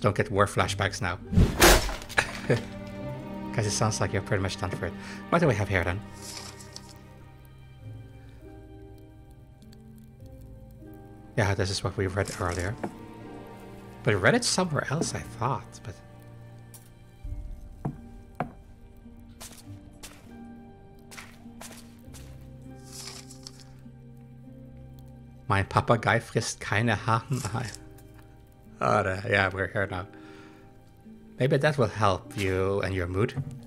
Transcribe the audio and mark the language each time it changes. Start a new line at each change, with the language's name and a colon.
English: Don't get war flashbacks now. Because it sounds like you're pretty much done for it. What do we have here then? Yeah, this is what we read earlier. But I read it somewhere else, I thought.
German: But mein Papagei frisst keine Haken.
English: Yeah, we're here now. Maybe that will help you and your mood.